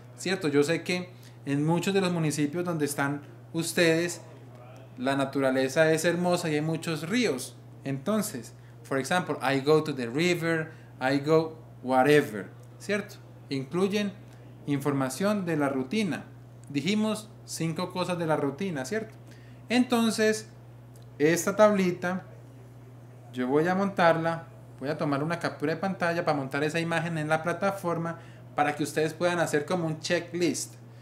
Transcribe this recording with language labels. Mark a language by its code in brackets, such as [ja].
[es] Cierto, yo sé que en muchos de los municipios donde están ustedes, la naturaleza es hermosa y hay muchos ríos. [en] Entonces, for example, I go to the river, I go whatever. [es] ¿Cierto? Incluyen información de la rutina. Dijimos cinco cosas de la rutina, ¿cierto? Entonces, esta tablita, yo voy a montarla. Voy a tomar una captura de pantalla para montar esa imagen en la plataforma para que ustedes puedan hacer como un checklist.